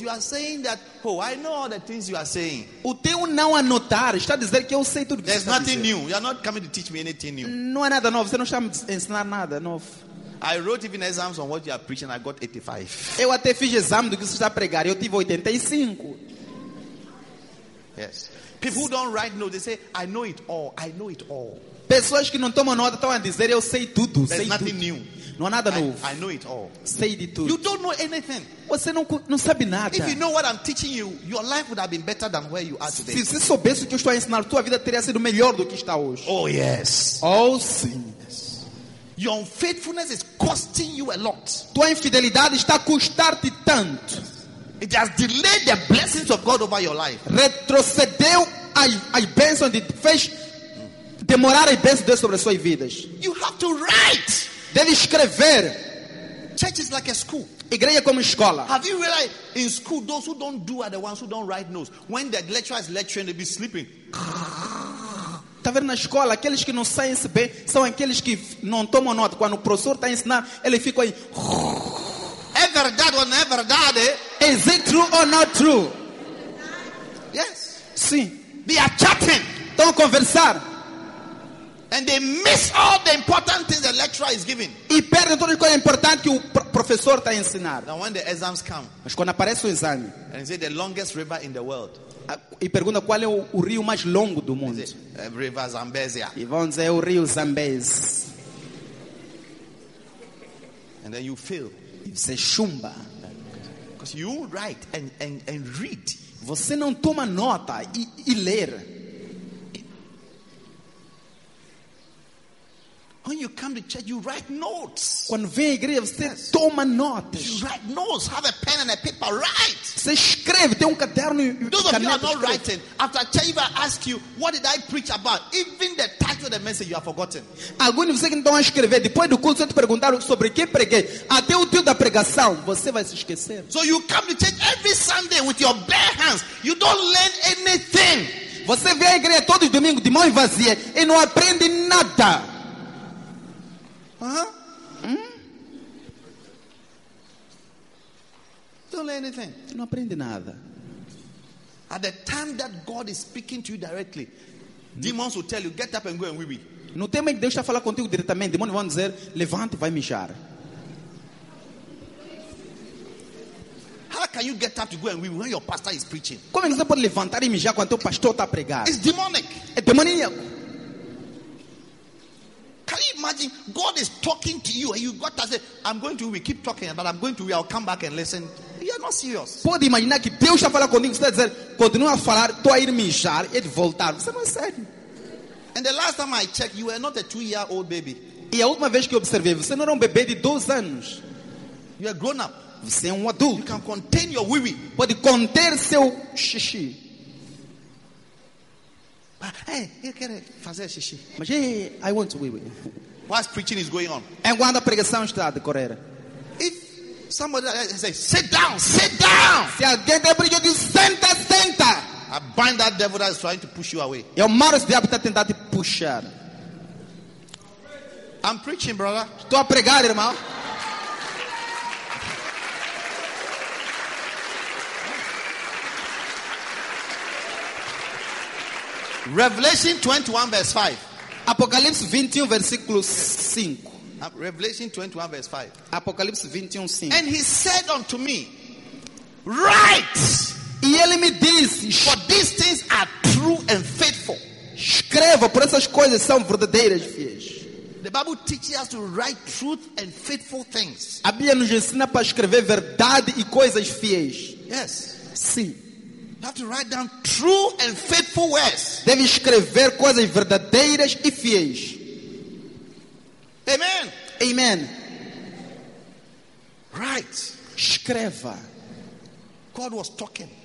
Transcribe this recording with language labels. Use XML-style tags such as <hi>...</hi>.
<en>You are saying that, oh, I know all the things you are saying.</en> <pt>O teu não anotar está a dizer que eu sei tudo.</pt> <en>There's nothing new. You are not coming to teach me anything new.</en> <pt>Não é nada novo. Você não está me ensinar nada novo.</pt> <en>I wrote even exams on what you are preaching. I got 85.</en> <pt>Eu até fiz exame do que você está a pregar. Eu tive 85.</pt> <en>Yes. People who don't write notes, they say, I know it all. I know it all.</en> <pt>Pessoas que não tomam nota estão a dizer eu sei tudo,</pt> <en>there's</en> <pt>sei</pt> <en>nothing</en> <pt>tudo.</pt> <en>New.</en> <pt>Não há nada novo.</pt> <en>I know it all.</en> <pt>Sei de tudo.</pt> <en>You don't know anything.</en> <pt>Você não sabe nada.</pt> <en>If you know what I'm teaching you, your life would have been better than where you are today.</en> <pt>Se você soubesse o que eu estou a ensinar, tua vida teria sido melhor do que está hoje.</pt> <en>Oh yes.</en> <pt>Oh sim.</pt> <en>Yes. Your unfaithfulness is costing you a lot.</en> <pt>Tua infidelidade está a custar-te tanto.</pt> <en>It has delayed the blessings of God over your life.</en> <pt>Retrocedeu as bênçãos de Deus. Demorar a bênção de Deus sobre as suas vidas.</pt> <en>You have to write.</en> <pt>Deve escrever.</pt> <en>Church is like a school.</en> <pt>Igreja é como escola.</pt> <en>Have you realized in school those who don't do are the ones who don't write notes. When the lecturer is lecturing, they be sleeping.</en> <pt>Está vendo na escola aqueles que não saem se bem são aqueles que não tomam nota. Quando o professor está ensinando, ele fica aí. É verdade ou não é verdade?</pt> <en>Is it true or not true?</en> <pt>Yes. Sim.</pt> <en>They are chatting.</en> <pt>Estão a conversar.</pt> <en>And they miss all the important things the lecturer is giving.</en> <pt>E perde tudo o que é importante que o professor está a ensinar.</pt> <en>Now when the exams come,</en> <pt>mas quando aparece o exame,</pt> <en>and say the longest river in the world,</en> <pt>e pergunta qual é o rio mais longo do mundo.</pt> <en>The river Zambezia.</en> <pt>E vão dizer o rio Zambezi.</pt> <en>And then you fail.</en> <pt>E você chumba.</pt> <en>Because you write and read.</en> <pt>Você não toma nota e ler.</pt> <en>When you come to church, you write notes.</en> <pt>Quando vem à igreja, você yes. toma notas.</pt> <en>You write notes. Have a pen and a paper. Write.</en> <pt>Você escreve. Tem caderno.</pt> <en>Those of you are not writing. After church, if I ask you, what did I preach about? Even the title of the message, you have forgotten.</en> <pt>Alguns de vocês que não estão a escrever, depois do culto, te perguntaram sobre quem preguei. Até o título da pregação, você vai se esquecer.</pt> <en>So you come to church every Sunday with your bare hands. You don't learn anything.</en> <pt>Você vem à igreja todos os domingos de mãos vazias e não aprende nada.</pt> <en>Don't learn anything.</en> <pt>Não aprende nada.</pt> <en>At the time that God is speaking to you directly, demons will tell you, get up and go and wee wee.</en> <pt>No tempo em que Deus está a falar contigo diretamente, demônios vão dizer, levante e vai mijar.</pt> <en>How can you get up to go and wee wee when your pastor is preaching?</en> <pt>Como é que você pode levantar e mijar quando o pastor está a pregar?</pt> <en>It's demonic.</en> <pt>É demoníaco.</pt> <en>Can you imagine God is talking to you and you got to say, I'm going to we keep talking, but I'm going to we I'll come back and listen. You are not serious.</en> <pt>Pode imaginar que Deus está falando contigo, você está dizendo, continua a falar, estou a ir mijar e voltar. Você não é sério.</pt> <en>And the last time I checked, you were not a 2-year-old baby.</en> <pt>E a última vez que eu observei, você não era bebê de 12 anos.</pt> <en>You are grown up.</en> <pt>Você é adulto.</pt> <en>You can contain your wee-wee.</en> <pt>Pode conter seu xixi. Eu quero fazer xixi.</pt> <en>Mas hey, I want to wee-wee. While preaching is going on.</en> <pt>Enquanto a pregação está a decorrer.</pt> <en>If somebody say, sit down, sit down.</en> <pt>Se alguém tem preguiça, diz, senta, senta.</pt> <en>I bind that devil that is trying to push you away.</en> <pt>Eu mato esse diabo que está tentando te puxar.</pt> <en>I'm preaching, brother.</en> <pt>Estou a pregar, irmão.</pt> <en>Revelation 21 verse 5.</en> <pt>Apocalipse 21, versículo 5.</pt> <en>Revelation 21, verse 5.</en> <pt>Apocalipse 21, 5.</pt> <en>And he said unto me, write.</en> <pt>E ele me diz, for these things are true and faithful. Escreva, por essas coisas são verdadeiras e fiéis.</pt> <en>The Bible teaches us to write truth and faithful things.</en> <pt>A Bíblia nos ensina para escrever verdade e coisas fiéis.</pt> <en>Yes.</en> <pt>Sim.</pt> <en>You have to write down true and faithful words.</en> <pt>Deve escrever coisas verdadeiras e fiéis.</pt> <en>Amen.</en> <pt>Amen.</pt> <en>Write.</en> <pt>Escreva.</pt> <en>God was talking.</en>